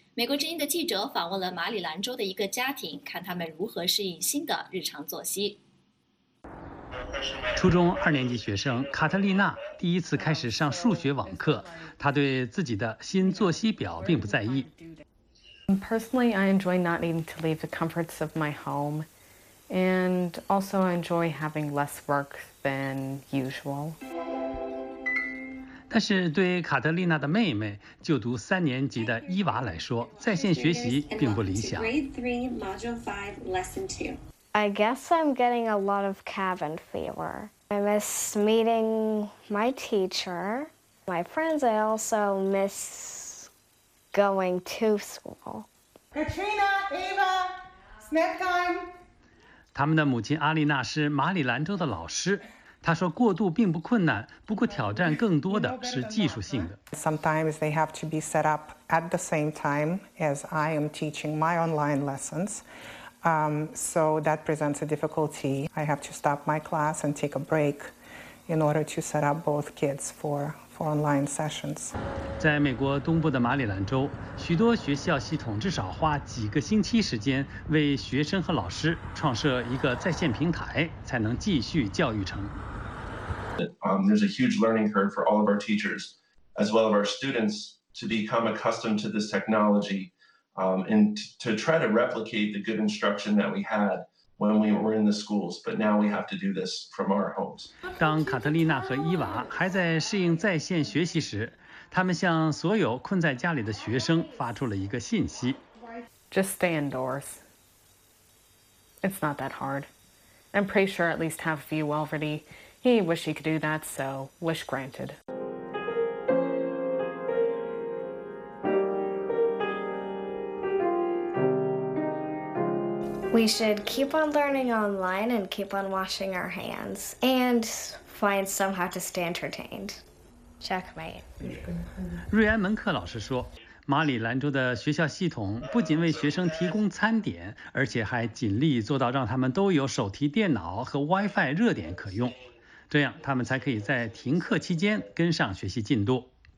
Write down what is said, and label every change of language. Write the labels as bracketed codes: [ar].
[zh] 美国之音的记者访问了马里兰州的一个家庭，看他们如何适应新的日常作息。初中2年级学生卡特丽娜第一次开始上数学网课，她对自己的新作息表并不在意。 [en] Personally, I enjoy not needing to leave the comforts of my home, and also I enjoy having less work than usual. [zh] 但是对卡特丽娜的妹妹，就读3年级的伊娃来说，在线学习并不理想。 [en] Grade 3, Module 5, Lesson 2. I guess I'm getting a lot of cabin fever. I miss meeting my teacher, my friends. I also miss going to school. Katrina, Eva, snack time. [zh] 他们的母亲阿丽娜是马里兰州的老师。她说过渡并不困难，不过挑战更多的是技术性的。 [en] Sometimes they have to be set up at the same time as I am teaching my online lessons. So that presents a difficulty. I have to stop my class and take a break in order to set up both kids for online sessions. [zh] 在美国东部的马里兰州，许多学校系统至少花几个星期时间为学生和老师创设一个在线平台，才能继续教育成。 [en] There's a huge learning curve for all of our teachers, as well as our students, to become accustomed to this technology. And to try to replicate the good instruction that we had when we were in the schools, but now we have to do this from our homes. [zh] 当卡特丽娜和伊娃还在适应在线学习时，他们向所有困在家里的学生发出了一个信息 [en] ：Just stay indoors. It's not that hard. I'm pretty sure at least half of you already. He wish he could do that, so wish granted. We should keep on learning online and keep on washing our hands and find somehow to stay entertained. Checkmate. [zh] 瑞安·门克老师说，马里兰州的学校系统不仅为学生提供餐点，而且还尽力做到让他们都有手提电脑和 WiFi 热点可用，这样他们才可以在停课期间跟上学习进度。